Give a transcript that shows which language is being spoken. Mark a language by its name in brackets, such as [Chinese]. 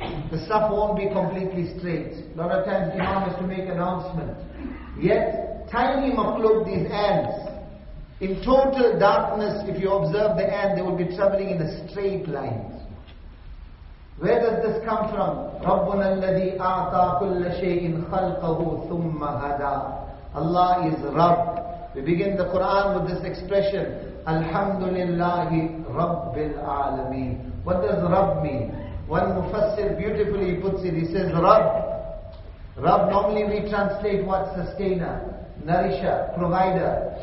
[English] The saf won't be completely straight. A lot of times Imam has to make announcement. Yet, tiny makhluk, these ants, in total darkness, if you observe the ant, they will be traveling in a straight line. Where does this come from? [Arabic] رَبُّنَا الَّذِي أَعْطَى كُلَّ شَيْءٍ خَلْقَهُ ثُمَّ هَدَى [English] Allah is Rabb. We begin the Quran with this expression. [Arabic] Alhamdulillahi Rabbil Alameen. [English] What does Rabb mean? One Mufassir beautifully puts it, he says, Rabb, normally we translate what? Sustainer, nourisher, provider.